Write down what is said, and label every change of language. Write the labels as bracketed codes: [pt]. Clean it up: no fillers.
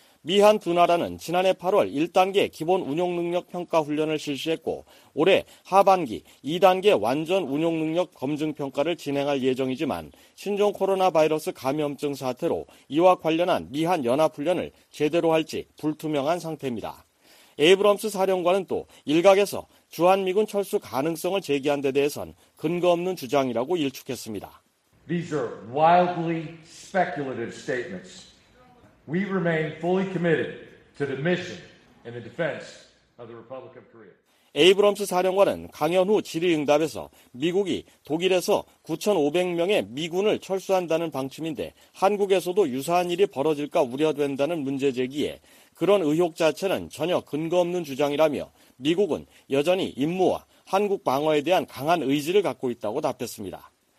[ko] 미한 두 나라는 지난해 8월 1단계 기본 운용 능력 평가 훈련을 실시했고 올해 하반기 2단계 완전 운용 능력 검증 평가를 진행할 예정이지만 신종 코로나 바이러스 감염증 사태로 이와 관련한 미한 연합 훈련을 제대로 할지 불투명한 상태입니다. 에이브럼스 사령관은 또 일각에서 주한미군 철수 가능성을 제기한 데 대해선 근거 없는 주장이라고 일축했습니다. [en] These are wildly speculative statements. We remain fully committed to the mission and the defense of the Republic of Korea. [ko] 에이브럼스 사령관은 강연 후 질의응답에서 미국이 독일에서 9,500명의 미군을 철수한다는 방침인데 한국에서도 유사한 일이 벌어질까 우려된다는 문제 제기에 그런 의혹 자체는 전혀 근거 없는 주장이라며 미국은 여전히 임무와 한국 방어에 대한 강한 의지를 갖고 있다고 답했습니다.